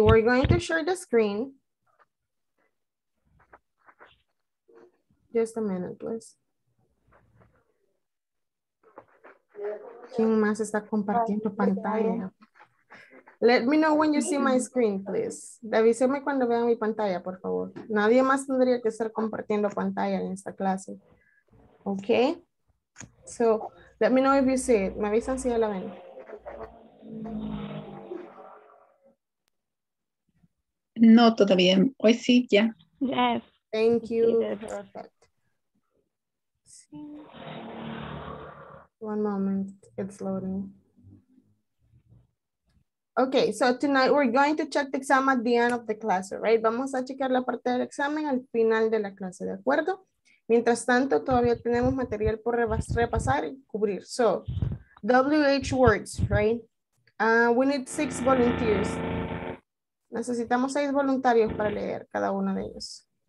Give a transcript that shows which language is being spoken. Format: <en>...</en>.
<en>We're going to share the screen. Just a minute, please.</en> <es>¿Quién más está compartiendo pantalla?</es> <en>Let me know when you see my screen, please.</en> <es>Avíseme cuando vean mi pantalla, por favor. Nadie más tendría que estar compartiendo pantalla en esta clase.</es> <en>Okay? So, let me know if you see it.</en> <es>Me avisan si ya la ven. No, todavía. Hoy sí, ya. Yeah.</es> <en>Yes. Thank you. Perfect. One moment, it's loading. Okay, so tonight we're going to check the exam at the end of the class, right?</en> <es>Vamos a checar la parte del examen al final de la clase, ¿de acuerdo? Mientras tanto, todavía tenemos material por repasar y cubrir.</es> <en>So, WH words, right? We need 6 volunteers.</en> <es>Necesitamos 6 voluntarios para leer cada uno de ellos.</es>